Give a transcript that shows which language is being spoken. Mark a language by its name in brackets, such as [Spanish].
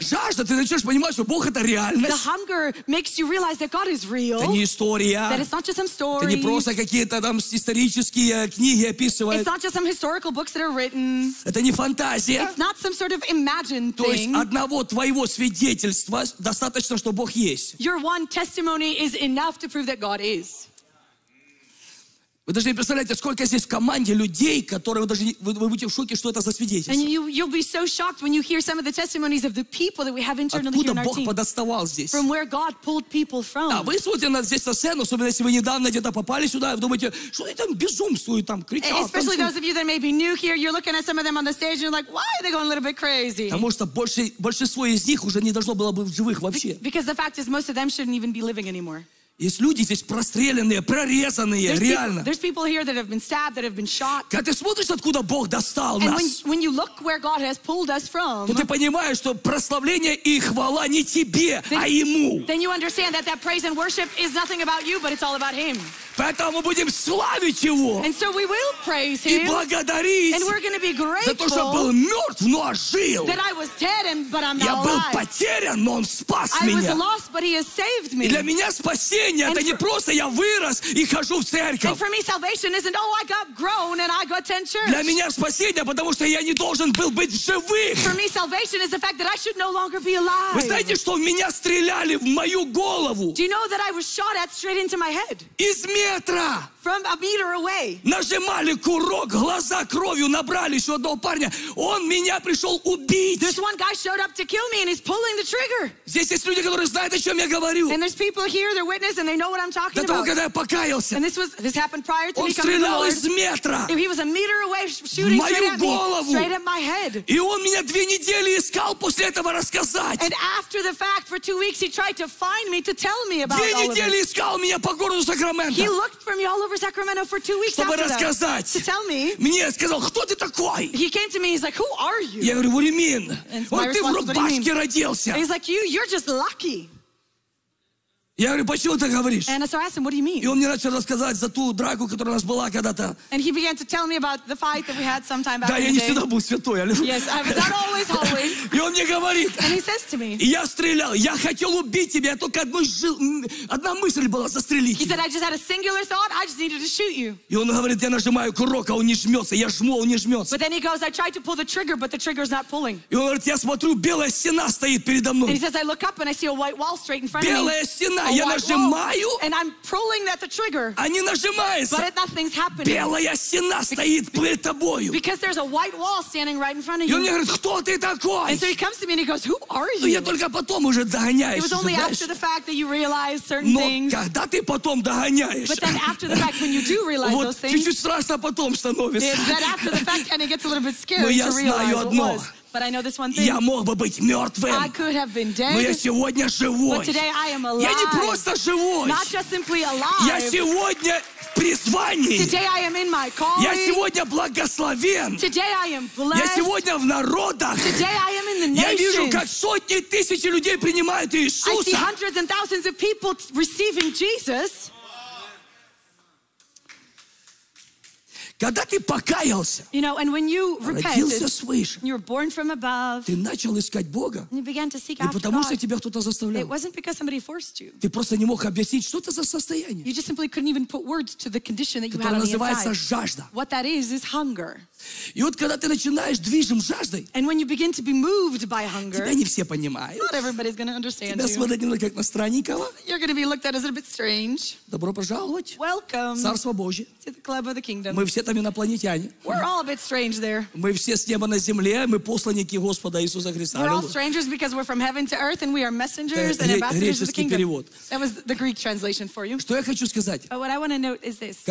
[Russian] Жажда, ты начнешь понимать, что Бог это реальность. [English] The hunger makes you realize that God is real. [Russian] Это не история. [English] That it's not just some story. [Russian] Это не просто какие-то там исторические книги описывают. [English] It's not just some historical books that are written. [Russian] Это не фантазия. [English] It's not some sort of imagined thing. [Russian] То есть одного твоего свидетельства достаточно, что Бог есть. [English] Your one testimony is enough to prove that God is. [Russian] Вы даже не представляете, сколько здесь в команде людей, которые вы будете в шоке, что это за свидетельство. [English] And you'll be so shocked when you hear some of the testimonies of the people that we have internally here in our team. [Russian] Откуда Бог подоставал здесь? [English] From where God pulled people from. [Russian] Да, вы смотрите на здесь на сцену, особенно если вы недавно где-то попали сюда, и вы думаете, что они там безумствуют, там кричат. [English] Especially those of you that may be new here, you're looking at some of them on the stage, and you're like, why are they going a little bit crazy? [Russian] Потому что большинство из них уже не должно было бы в живых вообще. [English] Because the fact is, most of them shouldn't even be living anymore. [Russian] Есть люди здесь простреленные, прорезанные, [English] there's [Russian] реально. [English] There's people here that have been stabbed, that have been shot. [Russian] Когда ты смотришь, откуда Бог достал нас. [English] And when you look where God has pulled us from. [Russian] То ты понимаешь, что прославление и хвала не тебе, а Ему. [English] Then you understand that that praise and worship is nothing about you, but it's all about Him. [Russian] Поэтому мы будем славить Его. [English] And so we will praise Him. [Russian] И благодарить. [English] And we're going to be grateful. [Russian] За то, что был мертв, но ожил. [English] That I was dead, and, but I'm not alive. [Russian] Я был потерян, но Он спас меня. [English] I was lost, but He has saved me. [Russian] И для меня спасение. Это не просто я вырос и хожу в церковь. [English] And for me salvation isn't, oh, I got grown and when I go attend church. [Russian] Для меня спасение, потому что я не должен был быть живым. [English] For me, salvation is the fact that I should no longer be alive. [Russian] Вы знаете, что в меня стреляли в мою голову? [English] Do you know that I was shot at straight into my head? [Russian] Из метра. [English] From a meter away. [Russian] Нажимали курок, глаза кровью набрали еще одного парня. Он меня пришел убить. [English] This one guy showed up to kill me and he's pulling the trigger. [Russian] Здесь есть люди, которые знают, о чем я говорю. [English] And there's people here, they're witnesses, and they know what I'm talking [Russian] about. До того, когда я покаялся. [English] And this happened prior to me coming to the Lord. [Russian] Он стрелял из метра. [English] He was a meter away shooting straight at my head. [Russian] И он меня две недели искал после этого рассказать. [English] And after the fact, for 2 weeks, he tried to find me to tell me about all of this. [Russian] Две недели искал меня по городу Сакраменто. [English] He looked for me all over Sacramento for 2 weeks after that. To tell me. [Russian] Мне сказал, кто ты такой? [English] He came to me, he's like, who are you? [Russian] Я говорю, [English] what do you mean? [Russian] Вот ты в рубашке родился. [English] He's like, you're just lucky. [Russian] Я говорю, почему ты говоришь? [English] And so I asked him, what do you mean? [Russian] И он мне начал рассказать за ту драку, которая у нас была когда-то. [English] And he began to tell me about the fight that we had sometime back in [Russian] day. Да, я не всегда был святой. [English] Yes, I was not always holy. [Russian] И он мне говорит. [English] And he says to me. [Russian] Я стрелял, я хотел убить тебя, только одна мысль была застрелить. [English] He said, I just had a singular thought, I just needed to shoot you. [Russian] И он говорит, я нажимаю курок, а он не жмется, я жму, он не жмется. [English] But then he goes, I tried to pull the trigger, but the trigger's not pulling. [Russian] И он говорит, я смотрю, белая стена стоит передо мной. [English] And he says, I look up and I see a white wall straight in front of me. [Russian] Белая стена. Я нажимаю, [English] and I'm pulling at the trigger. [Russian] Они нажимаются. [English] But nothing's happening. [Russian] Белая стена стоит перед тобою. [English] Because there's a white wall standing right in front of you. [Russian] И он мне говорит, кто ты такой? [English] And so he comes to me and he goes, who are you? [Russian] Ну, я только потом уже догоняюсь. [English] It was only [Russian] знаешь? [English] After the fact that you realize certain [Russian] Но [English] things. [Russian] Когда ты потом догоняешь. [English] But then after the fact when you do realize [Russian] вот [English] those things. [Russian] Чуть-чуть страшно потом становится. [English] Then after the fact and it gets a little bit scary. [Russian] Но я [English] to [Russian] знаю одно. [English] But I know this one thing. [Russian] Я мог бы быть мертвым. [English] I could have been dead. [Russian] Но я сегодня живой. [English] But today I am alive. [Russian] Я не просто живой. [English] Not just simply alive. [Russian] Я сегодня в призвании. [English] Today I am in my calling. [Russian] Я сегодня благословен. [English] Today I am blessed. [Russian] Я сегодня в народах. [English] Today I am in the nations. [Russian] Я вижу, как сотни тысяч людей принимают Иисуса. [English] I see hundreds and thousands of people receiving Jesus. [Russian] Когда ты покаялся, [English] you know, and when you repented, [Russian] родился свыше, [English] you were born from above, [Russian] ты начал искать Бога, [English] and you began to seek [Russian] не потому что тебя кто-то заставлял. [English] It wasn't because somebody forced you. [Russian] Ты просто не мог объяснить, что это за состояние, [English] you just simply couldn't even put words to the condition that you [Russian] которое [English] had [Russian] называется [English] inside. [Russian] Жажда. [English] What that is hunger. [Russian] И вот когда ты начинаешь движим жаждой, [English] and when you begin to be moved by hunger, [Russian] тебя не все понимают. [English] Not everybody's gonna understand [Russian] тебя [English] you. [Russian] Смотрят немного как на странникова. [English] You're gonna be looked at as a bit strange. [Russian] Добро пожаловать. [English] Welcome. [Russian] Царство Божие. [English] To the club of the kingdom. [Russian] Мы все там инопланетяне. [English] We're all a bit strange there. [Russian] Мы все с неба на земле, мы посланники Господа Иисуса Христа. [English] We're all strangers because we're from heaven to earth and we are messengers and ambassadors of the kingdom. [Russian] Перевод. [English] That was the Greek translation for you. Что я хочу сказать? But what I want to note is this.